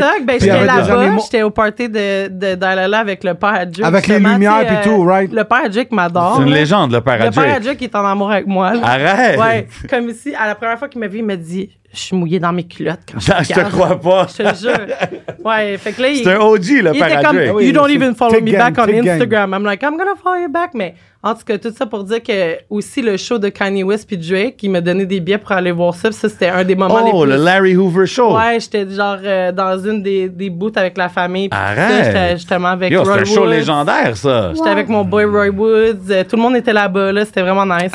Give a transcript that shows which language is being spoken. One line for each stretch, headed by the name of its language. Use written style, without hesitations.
French: Thug, ben, j'étais là-bas, j'étais au party de Dalala avec le père Adjuk. Avec les lumières et tout, right? Le père Adjuk m'adore. C'est une légende, le père Adjuk. Le père Adjuk est en amour avec moi. Là. Arrête! Ouais, comme ici, à la première fois qu'il m'a vu, il m'a dit, je suis mouillée dans mes culottes quand je te crois pas. Je te jure. Ouais, fait que là, c'est un OG, le père Adjuk.
English: Comme, you don't even follow me back on Instagram. I'm like, I'm gonna follow you back.
French: Mais en tout cas, tout ça pour dire que aussi le show de Kanye West et Drake, qui m'a donné des billets pour aller voir ça. Ça, c'était un des moments oh, les plus... Oh, le Larry Hoover Show. Ouais, j'étais genre dans une des booths avec la famille. Arrête. Ça, j'étais justement avec yo, Roy Woods. C'était un show Woods. Légendaire, ça. J'étais wow. Avec mon boy Roy Woods. Tout le monde était là-bas. Là. C'était vraiment nice.